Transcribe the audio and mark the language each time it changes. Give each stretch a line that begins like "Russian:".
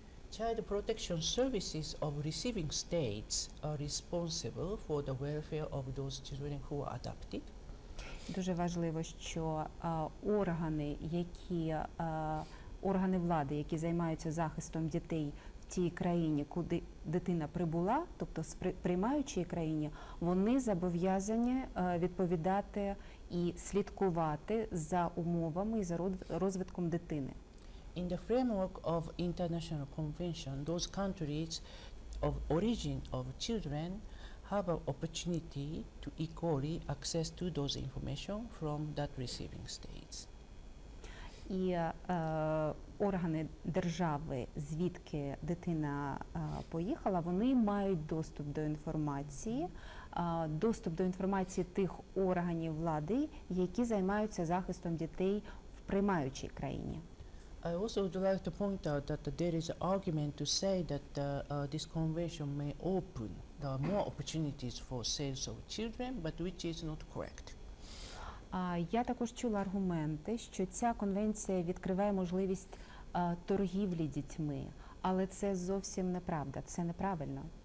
English: Child protection services of receiving states are responsible for the welfare of those children who are adopted.
Ukrainian: Дуже важливо, що органи, які органи влади, які займаються захистом дітей в тій країні, куди дитина прибула, тобто в приймаючій країні, вони зобов'язані відповідати і слідкувати за умовами і за розвитком дитини.
English: In the framework of international convention, those countries of origin of children have an opportunity to equally access to those information from that receiving states.
Ukrainian: І органи держави, звідки дитина поїхала, вони мають доступ до інформації, доступ до інформації тих органів влади, які займаються захистом дітей в приймаючій країні.
English: I also would like to point out that there is an argument to say that this convention may open more opportunities for sales of children, but which is not correct.
Ukrainian: Я також чула аргументи, що ця конвенція відкриває можливість торгівлі дітьми, але це зовсім неправда, це неправильно.